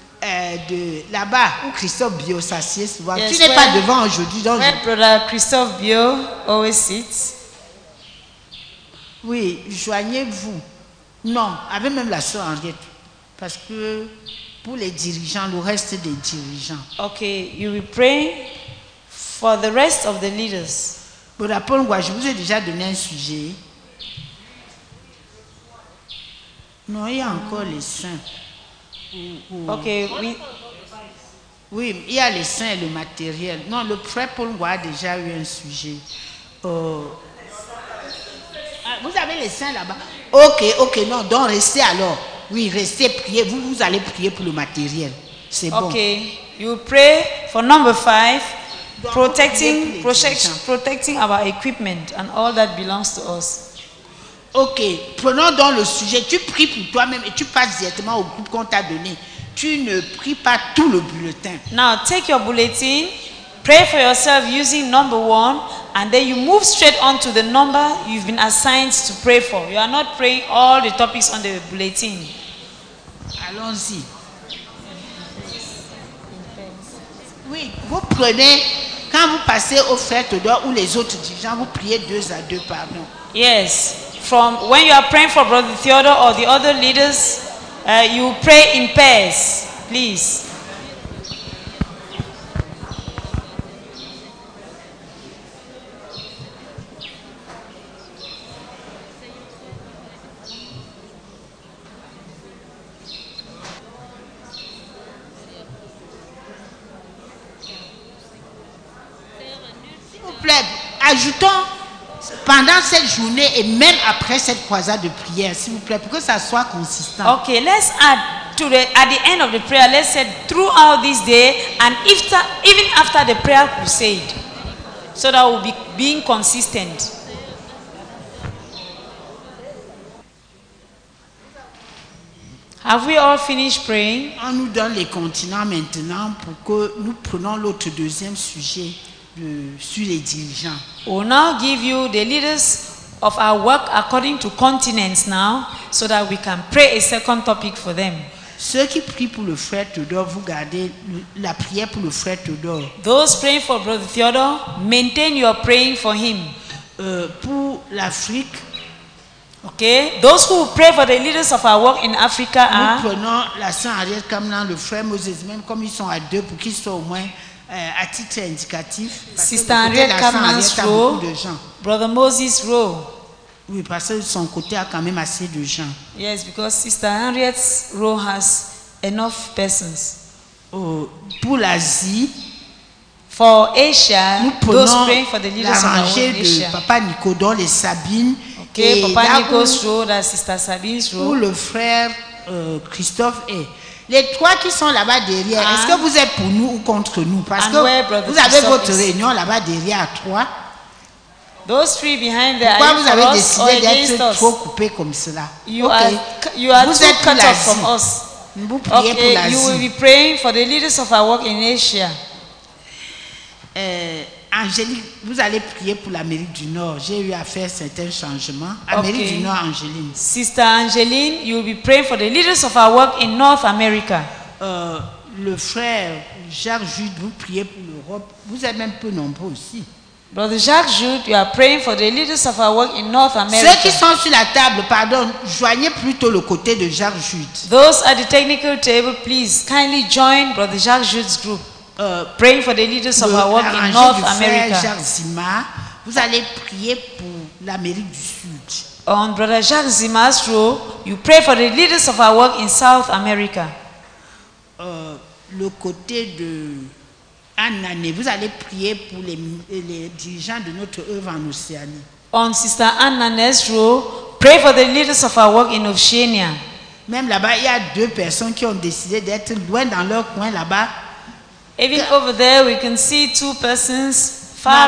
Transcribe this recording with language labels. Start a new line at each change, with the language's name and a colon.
French: De là-bas où Christophe Bio s'assied souvent.
English: Yes,
French: tu n'es pas devant aujourd'hui. Donc
English: where Brother Christophe Bio always sits.
French: Oui, joignez-vous. Non, avec même la soeur Henriette. Parce que pour les dirigeants, le reste des dirigeants.
English: Ok, you will pray for the rest of the leaders.
French: Pour la Paul Ngwa, je vous ai déjà donné un sujet. Non, il y a encore les saints. Ok, oui. Oui, il y a les saints et le matériel. Non, le prêtre Paul Ngwa a déjà eu un sujet. Vous avez les saints là-bas. Ok, non, donc restez alors. Oui, restez, priez. Vous allez prier pour le matériel. C'est bon.
English: Ok, you pray for number five, protecting our equipment and all that belongs to us.
French: Ok, prenons donc le sujet. Tu pries pour toi-même et tu passes directement au groupe qu'on t'a donné. Tu ne pries pas tout le bulletin.
English: Now, take your bulletin, pray for yourself using number one, and then you move straight on to the number you've been assigned to pray for. You are not praying all the topics on the bulletin.
French: Allons-y. Oui, vous prenez, quand vous passez au frère Théodore ou les autres dirigeants, vous priez deux à deux, pardon.
English: Yes. From when you are praying for Brother Theodore or the other leaders, you pray in pairs, please.
French: S'il vous plaît, ajoutons. Pendant cette journée et même après cette croisade de prière, s'il vous plaît, pour que ça soit consistant.
English: Ok, let's add to the at the end of the prayer. Let's say throughout this day and even after the prayer crusade, so that we'll be being consistent. Have we all finished praying?
French: On nous donne les continents maintenant pour que nous prenions l'autre deuxième sujet. Sur les dirigeants.
English: We'll now give you the leaders of our work according to continents now, so that we can pray a second topic for them.
French: Ceux qui prient pour le frère Théodore, vous gardez la prière pour le frère Théodore.
English: Those praying for Brother Theodore, maintain your praying for him.
French: Pour l'Afrique.
English: Okay. Those who pray for the leaders of our work in Africa are.
French: Nous prenons la sœur Henriette Kamlan, le frère Moses, même comme ils sont à deux, pour qu'ils soient au moins. À titre indicatif,
English: Sister Henriette Kamlan's role, Brother Moses role.
French: Oui, parce que son côté a quand même assez de gens.
English: Yes, because Sister Henriette's role has enough persons.
French: Pour l'Asie,
English: for Asia,
French: nous prenons
English: those praying for the leaders
French: la rangée de
English: Asia.
French: Papa Nico dans les Sabines.
English: Ok, Papa Nico's role, Sister Sabine's role.
French: Où le frère Christophe est. Les trois qui sont là-bas derrière, est-ce que vous êtes pour nous ou contre nous? Parce que vous avez votre réunion là-bas derrière à trois.
English: Those three behind there.
French: Pourquoi vous avez décidé d'être trop coupé comme cela? Vous êtes
English: cut off from us.
French: Vous priez pour l'Asie.
English: You will be praying for the leaders of our work in Asia.
French: Angélique, vous allez prier pour l'Amérique du Nord. J'ai eu à faire certains changements. Amérique du Nord, Angéline.
English: Sister Angéline, you will be praying for the leaders of our work in North America.
French: Le frère Jacques Jude, vous priez pour l'Europe. Vous êtes même peu nombreux aussi.
English: Brother Jacques Jude, you are praying for the leaders of our work in North America.
French: Ceux qui sont sur la table, pardon, joignez plutôt le côté de Jacques Jude.
English: Those at the technical table, please kindly join Brother Jacques Jude's group. Praying for the leaders of our work in North America.
French: Jacques Zima, vous allez prier pour l'Amérique du Sud.
English: On Brother Jacques Zima's role, you pray for the leaders of our work in South America.
French: Le côté de Anne-Anne, vous allez prier pour les dirigeants de notre œuvre en Océanie.
English: On Sister Anne-Anne's role, pray for the leaders of our work in Oceania.
French: Même là-bas, il y a deux personnes qui ont décidé d'être loin dans leur coin là-bas.
English: Even over there, we can see two persons far